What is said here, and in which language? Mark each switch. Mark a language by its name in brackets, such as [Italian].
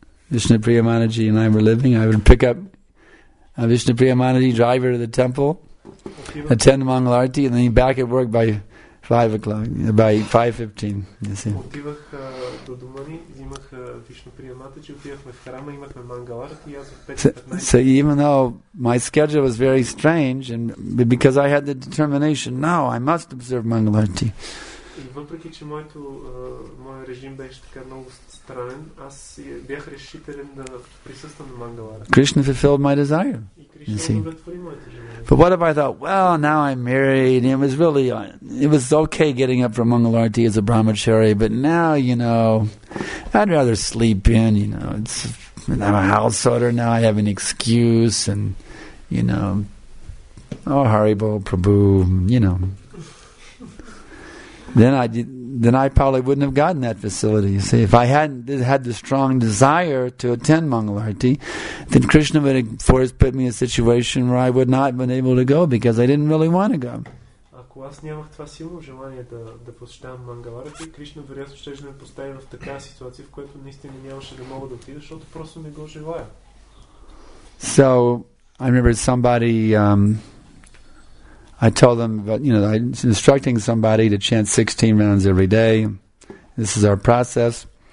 [English] Vishnu Priyamanaji and I were living, I would pick up a Vishnu Priyamanaji, drive her to the temple, attend Mangal Arati, and then be back at work by 5 o'clock, by 5:15. You see. [Bulgarian] Отивах до дома ни, взимах Вишну Приямати, отивахме в храма, имахме Мангал Арати, аз в 5:15. [English] So even though my schedule was very strange, and because I had the determination, now I must observe Мангал Арати. [Bulgarian] И въпреки че моя режим беше така много странен, аз бях решителен да присъствам на Мангал Арати. [English] Krishna fulfilled my desire. You see. But what if I thought, well, now I'm married, it was really, it was okay getting up for Mangal Arati as a brahmachari, but now, you know, I'd rather sleep in, you know, it's, I'm a house order now, I have an excuse, and, you know, oh, Haribo, Prabhu, you know. Then I probably wouldn't have gotten that facility. You see, if I hadn't had the strong desire to attend Mangal Arati, then Krishna would have forced put me in a situation where I would not have been able to go because I didn't really want to go. [Bulgarian] Ако аз нямах това силно желание да посещавам Мангал Арати, Кришна вероятно щеше да ме постави в такава ситуация, в която наистина нямаше да мога да отида, защото просто не го желая. [English] So I remember somebody. I told them, but you know, I was instructing somebody to chant 16 rounds every day. This is our process.